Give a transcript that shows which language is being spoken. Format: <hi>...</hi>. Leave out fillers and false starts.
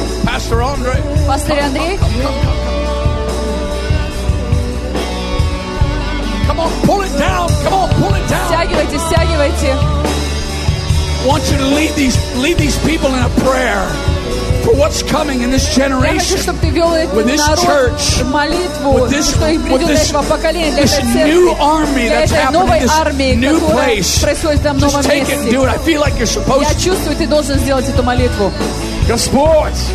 <ru>Пастор Андрей,</ru> <en>come on, pull it down. Come on, pull it down.</en> <ru>Стягивайте, стягивайте.</ru> <en>I want you to lead these people in a prayer for what's coming in this generation.</en> <ru>Я хочу, чтобы ты вел этот народ в молитву, что их придет для этого поколения, для этой церкви, для этой новой армии, которая происходит там в новом месте. Я чувствую, ты должен сделать эту молитву. Господь.</ru>